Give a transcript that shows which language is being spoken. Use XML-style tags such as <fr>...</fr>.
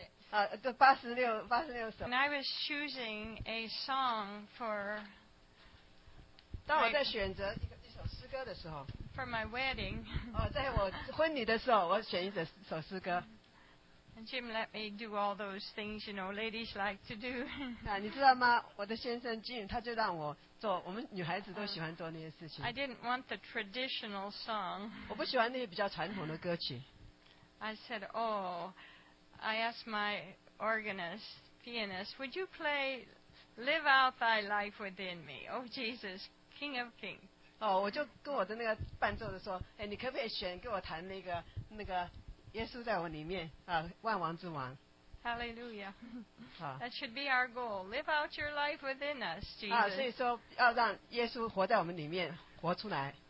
<en>And I was choosing a song for my wedding.</en> <zh>在我婚礼的时候，我选一首诗歌。</zh> <en>And Jim let me do all those things, you know, ladies like to do.</en> <zh>你知道吗？我的先生 Jim，他就让我做。我们女孩子都喜欢做那些事情。</zh> <en>I didn't want the traditional song.</en> <zh>我不喜欢那些比较传统的歌曲。</zh> <en>I said, oh, I asked my organist, pianist, would you play Live Out Thy Life Within Me? Oh, Jesus, King of Kings.</en> <zh>我就跟我的那个伴奏的说，哎，你可不可以选给我弹那个耶稣在我里面啊，万王之王。</zh> <en>Hallelujah. That should be our goal. Live out your life within us, Jesus.</en> <zh>所以说要让耶稣活在我们里面，活出来。</zh>